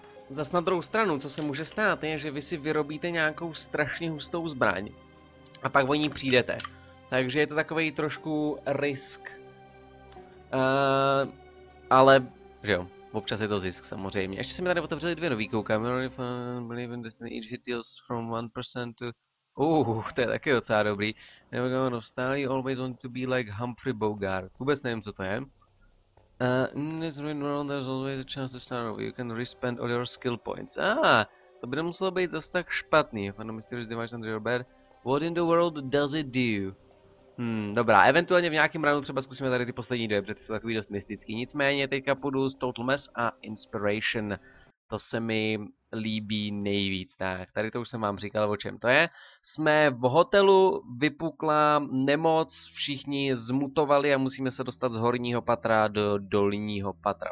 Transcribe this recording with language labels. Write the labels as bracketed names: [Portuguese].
[Czech] Zas na druhou stranu, co se může stát, je, že vy si vyrobíte nějakou strašně hustou zbraň a pak o ní přijdete. Takže je to takový trošku risk, ale, že jo, občas je to zisk samozřejmě. Ještě se mi tady otevřeli dvě nový kouka. [English] Believe in Destiny, each hit deals from 1% to... [Czech] to je taky docela dobrý. [English] Never gonna stay, always want to be like Humphrey Bogart. [Czech] Vůbec nevím, co to je. [English] In this real world, there's always a chance to start over. You can respend all your skill points. [Czech] To by nemuselo být zas tak špatný. [English] Find a mysterious device under your bed. What in the world does it do? [Czech] Dobrá, eventuálně v nějakém runu třeba zkusíme tady ty poslední dvě, protože ty jsou takový dost mystický. Nicméně, teďka půjdu z Total Mess a Inspiration. To se mi líbí nejvíc. Tak, tady to už jsem vám říkal, o čem to je. Jsme v hotelu, vypukla nemoc, všichni zmutovali a musíme se dostat z horního patra do dolního patra.